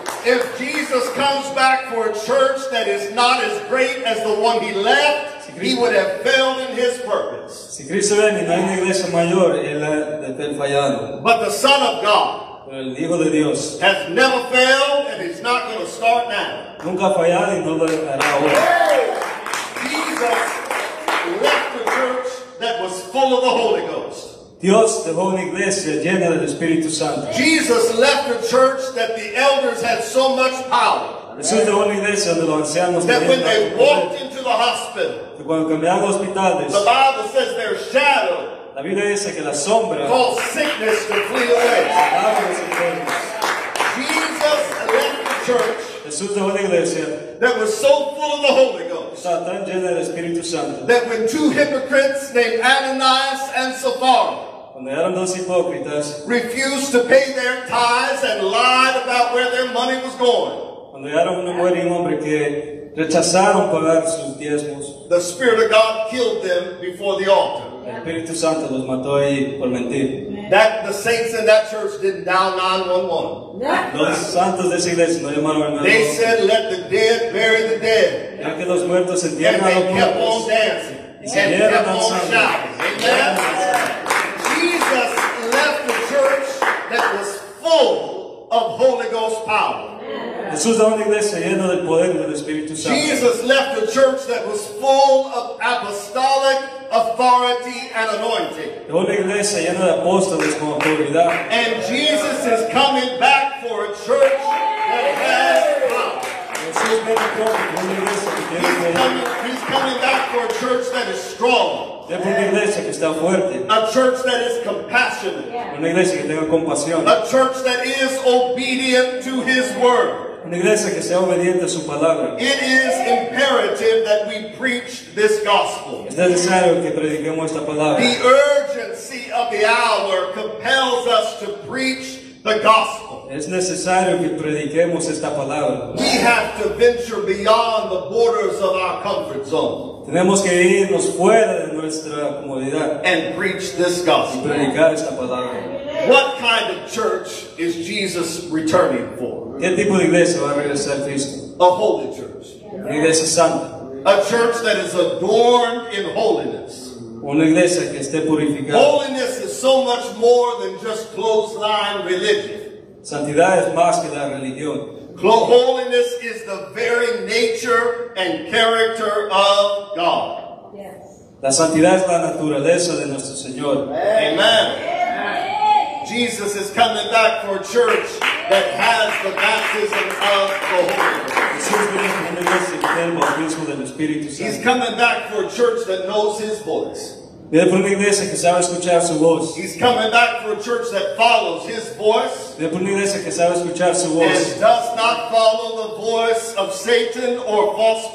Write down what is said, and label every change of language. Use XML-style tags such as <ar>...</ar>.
<en>If Jesus comes back for a church that is not as great as the one he left, he would have failed in his purpose. But the Son of God has never failed and he's not going to start now.</en> <es>Nunca ha fallado y no lo hará ahora.</es> <en>Jesus left a church that was full of the Holy Ghost.</en> <es>Dios dejó una iglesia llena del Espíritu Santo.</es> <en>Jesus left a church that the elders had so much power.</en> <es>Jesús dejó una iglesia donde los ancianos</es> <en>that when they walked into the hospital,</en> <es>que cuando cambiaron los hospitales,</es> <en>the Bible says their shadow,</en> <es>la Biblia dice que la sombra,</es> <en>caused sickness to flee away. Jesus left a church,</en> <es>Jesús dejó una iglesia,</es> <en>that was so full of the Holy Ghost,</en> <es>tan llena del Espíritu Santo,</es> <en>that when two hypocrites named Ananias and Sapphira,</en> <es>cuando eran dos hipócritas,</es> <en>refused to pay their tithes and lied about where their money was going,</en> <es>cuando era una mujer y un hombre que rechazaron pagar sus diezmos,</es> <en>the Spirit of God killed them before the altar.</en> <es>El Espíritu Santo los mató ahí por mentir.</es> <en>That the saints in that church didn't dial 911.</en> <es>Los santos de esa iglesia no llamaron al 911.</es> <en>They said, "Let the dead bury the dead."</en> <es>Ya que los muertos entierran a los muertos.</es> <en>And they kept on dancing. And kept on shouting. Amen. Yeah. Jesus left the church that was full of Holy Ghost power.</en> <es>Jesús dejó una iglesia llena del poder del Espíritu Santo.</es> <en>Jesus left a church that was full of apostolic authority and anointing.</en> <es>Dejó una iglesia llena de apóstoles con autoridad.</es> <en>And Jesus is coming back for a church that has power. He's coming back for a church that is strong.</en> <es>Una iglesia que está fuerte.</es> <en>A church that is compassionate.</en> <es>Una iglesia que tenga compasión.</es> <en>A church that is obedient to His word.</en> <es>Una iglesia que sea obediente a su palabra.</es> <en>It is imperative that we preach this gospel.</en> <es>Es necesario que prediquemos esta palabra.</es> <en>The urgency of the hour compels us to preach the gospel.</en> <es>Es necesario que prediquemos esta palabra.</es> <en>We have to venture beyond the borders of our comfort zone.</en> <es>Tenemos que irnos fuera de nuestra comodidad.</es> <en>And preach this gospel.</en> <es>Y predicar esta palabra.</es> <en>What kind of church is Jesus returning for?</en> <es>¿Qué tipo de iglesia va a regresar Cristo?</es> <en>A holy church.</en> <es>Una iglesia santa.</es> <en>A church that is adorned in holiness.</en> <es>Una iglesia que esté purificada.</es> <en>Holiness is so much more than just clothesline religion.</en> <es>Santidad es más que la religión.</es> <en>Holiness is the very nature and character of God. Yes.</en> <es>La santidad es la naturaleza de nuestro Señor.</es> <en>Amen. Amen. Jesus is coming back for a church that has the baptism of the Holy Ghost. He's coming back for a church that knows His voice. He's coming back for a church that follows His voice and does not follow the voice of Satan or false</en>